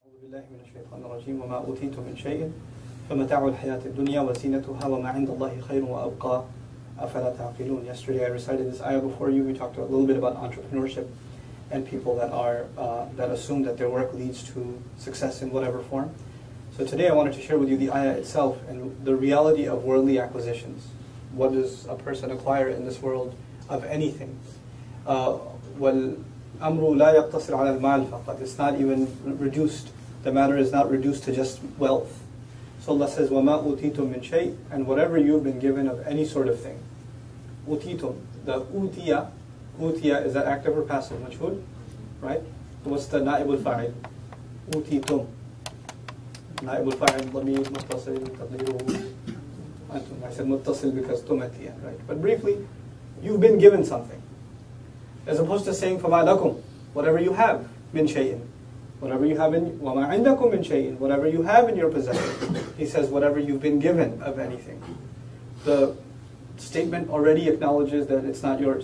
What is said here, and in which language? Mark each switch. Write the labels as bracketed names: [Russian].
[Arabic] بالله من الشيطان الرجيم وما أوتيت من شيء فمتاع الحياة الدنيا وزينتها وما عند الله خير وأبقى أفلا تعقلون. [English] Yesterday I recited this ayah before you. We talked a little bit about entrepreneurship and people that are that assume that their work leads to success in whatever form. So today I wanted to share with you the ayah itself and the reality of worldly acquisitions. What does a person acquire in this world of anything? [Arabic] والأمر لا يقتصر على المال فقط. [English] It's not even reduced. The matter is not reduced to just wealth. So Allah says, [Arabic] وَمَا أُوتِيتُم مِّن شَيْءٍ, [English] and whatever you've been given of any sort of thing. أُوتِيتُم, the أُوتِيَ, أُوتِيَ is that active or passive, مجهول, right? What's the نائب الفاعل? [Arabic] أُوتِيتُم. نائب الفاعل, ضمير متصل, تقديره أنتم. [English] I said متصل because تُمَتِيَ, right? But briefly, you've been given something. As opposed to saying, [Arabic] فَمَا لَكُمْ, [English] whatever you have, [Arabic] مِّن شَيْءٍ. [English] Whatever you have in, [Arabic] وَمَا عِنْدَكُمْ مِنْ شَيْءٍ, [English] whatever you have in your possession. He says, whatever you've been given of anything. The statement already acknowledges that it's not yours.